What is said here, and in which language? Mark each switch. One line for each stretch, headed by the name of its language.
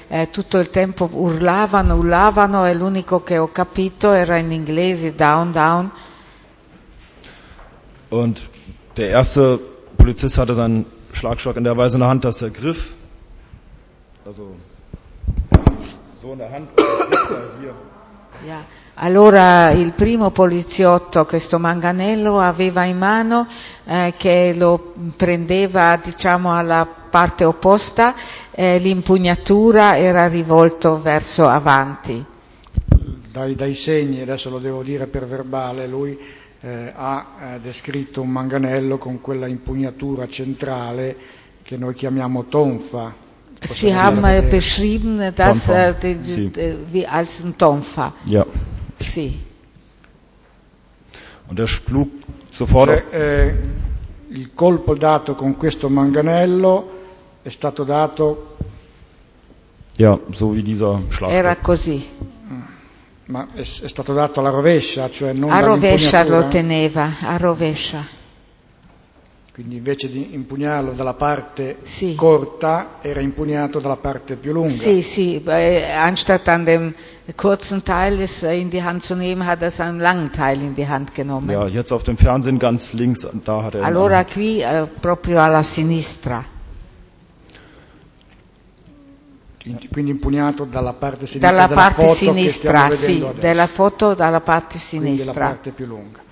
Italian: Tutto il tempo urlavano e l'unico che ho capito era in inglese
English: down down.
German: Und der erste Polizist hatte seinen Schlagstock in der Weise in der Hand, dass er griff, also so in der Hand oder hier. Ja.
Italian: Allora il primo poliziotto, questo manganello, aveva in mano che lo prendeva, diciamo, alla parte opposta, l'impugnatura era rivolto verso avanti. Dai segni, adesso lo devo dire per verbale, lui ha descritto un manganello con quella impugnatura centrale che noi chiamiamo tonfa.
German: Sie haben beschrieben, dass wie als ein Tonfa. Ja.
Italian: Sì.
German: Und er schlug sofort.
Italian: Il colpo dato con questo manganello è stato dato.
German: Ja, so wie dieser Schlag.
Italian: Era così. Ma è stato dato alla rovescia, cioè non a rovescia lo teneva, a rovescia. Quindi invece di impugnarlo dalla parte corta, era impugnato dalla parte più lunga. Sì, sì,
German: anstatt an dem kurzen Teil es in die Hand zu nehmen, hat er seinen langen Teil in die Hand genommen. Ja, jetzt auf dem Fernsehen ganz links, da hat er.
Italian: Allora qui proprio alla sinistra. Quindi impugnato dalla parte sinistra dalla della parte foto sinistra, che stiamo vedendo sì, della foto dalla parte sinistra. Quindi la parte più lunga.